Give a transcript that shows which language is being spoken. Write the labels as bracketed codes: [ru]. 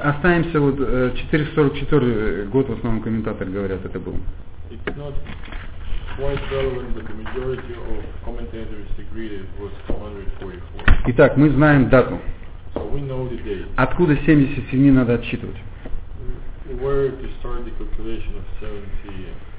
[ru] Останемся вот 444 год, в основном комментаторы говорят, это был. [en] It's not quite relevant, but the majority of commentators agree that it was 444. [ru] Итак, мы знаем дату. [en] So we know the date. [ru] Откуда 77 надо отсчитывать? [en] Where to start the calculation of 79